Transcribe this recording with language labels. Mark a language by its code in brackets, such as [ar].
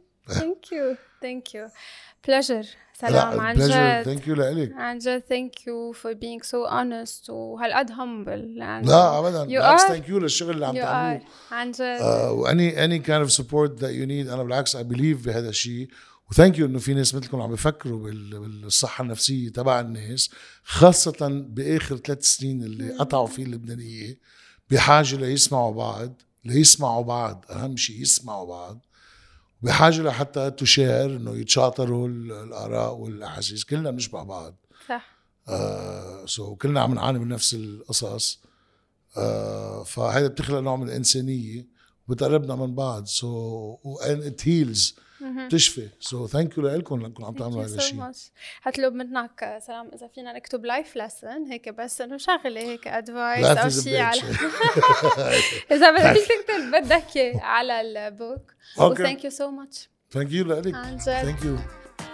[en] thank you pleasure سلام [ar] عن جد [en] thank you لألك [ar] عن جد [en] thank you for being so honest وهالقد humble [ar] لا أبدا بالعكس [en] thank you [ar] للشغل اللي عم تعملوه عن جد [en] any kind of support that you need [ar] أنا بالعكس [en] I believe [ar] بهذا الشيء و [en] thank you [ar] إنه في ناس مثلكم عم بفكروا بالصحة النفسية تبع الناس خاصة بآخر 3 سنين اللي قطعوا فيه اللبنانية بحاجة ليسمعوا بعض ليسمعوا بعض أهم شيء يسمعوا بعض بحاجة لحتى تشير انه يتشاطروا الاراء والاحاسيس كلنا بنشبه بعض صح سو كلنا عم نعاني من نفس القصص فهذا بتخلق نوع من الانسانية بتقربنا من بعض [en] so when it heals [ar] بتشفي سو [en] thank you [ar] لكم لانكم عم تعملوا هذا الشيء هتلوب منك سلام اذا فينا نكتب لايف لسن هيك بس انه شغله هيك ادفايس او شيء اذا بدك تكتب بدك على البوك [en] Okay. Thank you so much. Thank you, Lalik. Thank you.